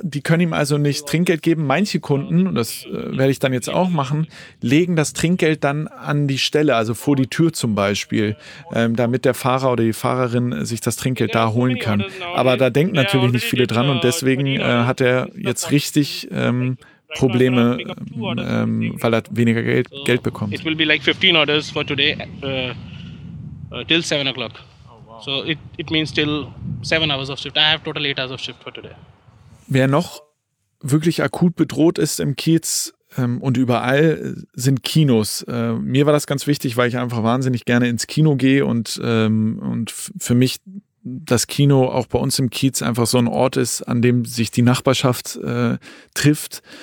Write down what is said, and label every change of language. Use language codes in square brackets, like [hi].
[de] Die können ihm also nicht Trinkgeld geben. Manche Kunden, und das werde ich dann jetzt auch machen, legen das Trinkgeld dann an die Stelle, also vor die Tür zum Beispiel, damit der Fahrer oder die Fahrerin sich das Trinkgeld da holen kann. Aber da denken natürlich nicht viele dran und deswegen hat er jetzt richtig Probleme, weil er weniger Geld bekommt. [en] It will be like 15 orders for today till 7 o'clock. So it means till 7 hours of shift. I have total 8 hours of shift for today. [de] Wer noch wirklich akut bedroht ist im Kiez und überall, sind Kinos. Mir war das ganz wichtig, weil ich einfach wahnsinnig gerne ins Kino gehe und für mich das Kino auch bei uns im Kiez einfach so ein Ort ist, an dem sich die Nachbarschaft trifft.